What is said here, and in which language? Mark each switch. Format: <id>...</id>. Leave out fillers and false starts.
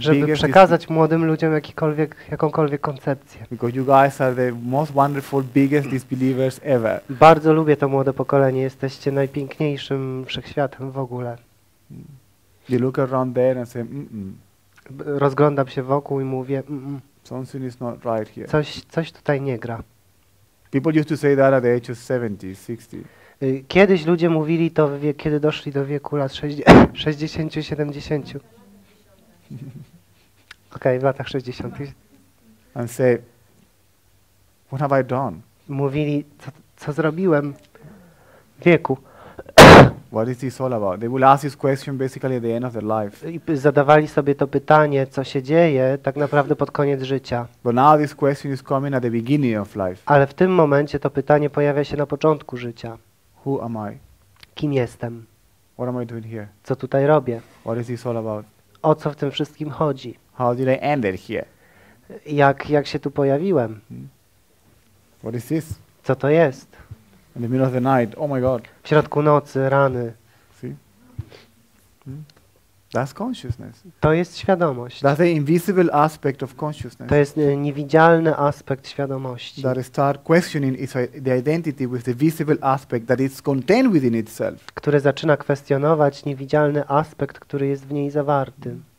<pl>żeby</pl> <en>biggest.</en> <pl>Żeby przekazać młodym ludziom jakąkolwiek koncepcję.</pl> <en>Because you guys are the most wonderful, biggest disbelievers ever.</en> <pl>Bardzo lubię to młode pokolenie. Jesteście najpiękniejszym wszechświatem w ogóle.</pl> <en>You look around there and say, mm-mm.</en> <pl>Rozglądam się wokół i mówię, mm-mm.</pl> <en>Something is not right here.</en> <pl>Coś tutaj nie gra.</pl> <en>People used to say that at the age of 70, 60.</en> <pl>Kiedyś ludzie mówili to, kiedy doszli do wieku lat 60, 70. Okej, w latach 60.</pl> <en>And say, what have I done?</en> <pl>Mówili, co zrobiłem w wieku.</pl> <en>What is this all about? They will ask this question basically at the end of their life.</en> <pl>I zadawali sobie to pytanie, co się dzieje tak naprawdę pod koniec życia.</pl> <en>But now this question is coming at the beginning of life.</en> <pl>Ale w tym momencie to pytanie pojawia się na początku życia.</pl> <en>Who am I?</en> <pl>Kim jestem?</pl> <en>What am I doing here?</en> <pl>Co tutaj robię?</pl> <en>What is this all about?</en> <pl>O co w tym wszystkim chodzi?</pl> <en>How did I end it here?</en> <pl>Jak się tu pojawiłem?</pl> <en>What is this?</en> <pl>Co to jest?</pl> <en>In the middle of the night, oh my God.</en> <pl>W środku nocy, rany.</pl> <en>See? That's consciousness.</en> <pl>To jest świadomość.</pl> <en>That's the invisible aspect of consciousness.</en> <pl>To jest niewidzialny aspekt świadomości.</pl> <en>That start questioning its the identity with the visible aspect that is contained within itself.</en> <pl>Które zaczyna kwestionować niewidzialny aspekt, który jest w niej zawarty.</pl>